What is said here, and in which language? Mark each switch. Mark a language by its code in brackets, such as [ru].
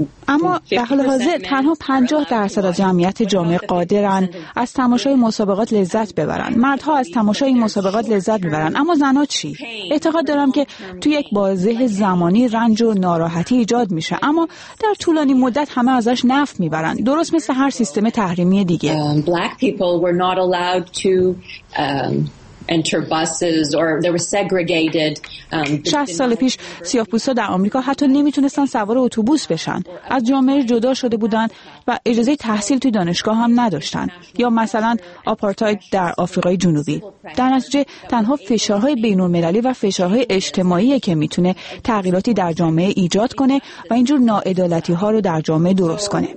[fa] اما در حال حاضر تنها 50% از جمعیت جامعه قادرن از تماشای مسابقات لذت ببرن. مردها از تماشای مسابقات لذت ببرن، اما زنها چی؟ اعتقاد دارم که توی یک بازه زمانی رنج و ناراحتی ایجاد میشه، اما در طولانی مدت همه ازش نفع میبرن، درست مثل هر سیستم تحریمی دیگه. [en] Black people were not allowed to enter buses or they were segregated. [fa] 60 سال پیش سیاه‌پوستا در آمریکا حتی نمیتونستن سوار اتوبوس بشن، از جامعه جدا شده بودن و اجازه تحصیل توی دانشگاه هم نداشتن. یا مثلا آپارتاید در آفریقای جنوبی. در نتیجه تنها فشارهای بین‌المللی و فشارهای اجتماعی که میتونه تغییراتی در جامعه ایجاد کنه و اینجور ناعدالتی‌ها رو در جامعه درست کنه.